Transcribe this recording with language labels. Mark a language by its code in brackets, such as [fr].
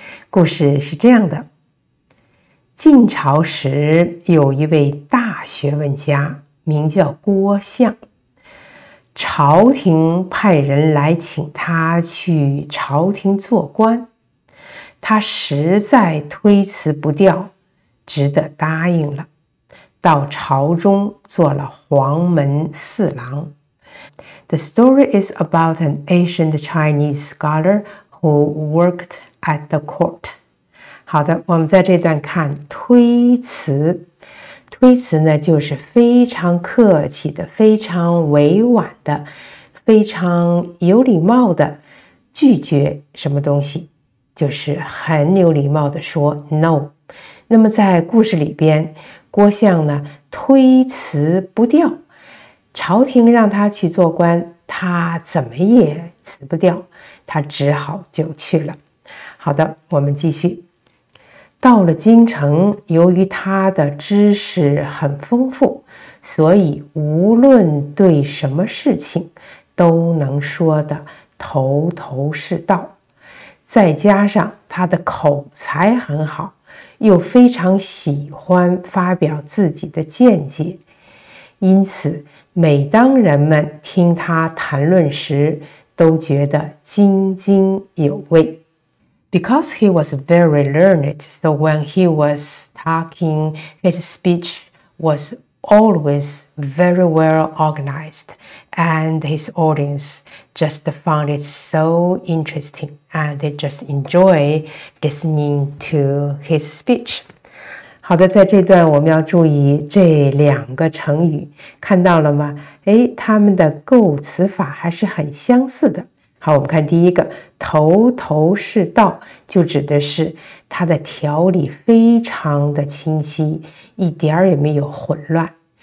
[zh] 故事是这样的：晋朝时有一位大学问家，名叫郭象。朝廷派人来请他去朝廷做官，他实在推辞不掉，只得答应了。到朝中做了黄门侍郎。 [en] The story is about an ancient Chinese scholar who worked at the court. [zh] 好的，我们在这段看推辞。推辞呢，就是非常客气的、非常委婉的、非常有礼貌的拒绝什么东西，就是很有礼貌的说 no。那么在故事里边，郭象呢，推辞不掉，朝廷让他去做官，他怎么也辞不掉，他只好就去了。好的，我们继续。到了京城，由于他的知识很丰富，所以无论对什么事情，都能说得头头是道。再加上他的口才很好。又非常喜欢发表自己的见解，因此每当人们听他谈论时，都觉得津津有味。 [en] Because he was very learned, so when he was talking, his speech was always very well organized, and his audience just found it so interesting, and they just enjoy listening to his speech. [zh] 好的，在这段我们要注意这两个成语，看到了吗？哎，他们的构词法还是很相似的。好，我们看第一个，头头是道，就指的是他的条理非常的清晰，一点儿也没有混乱。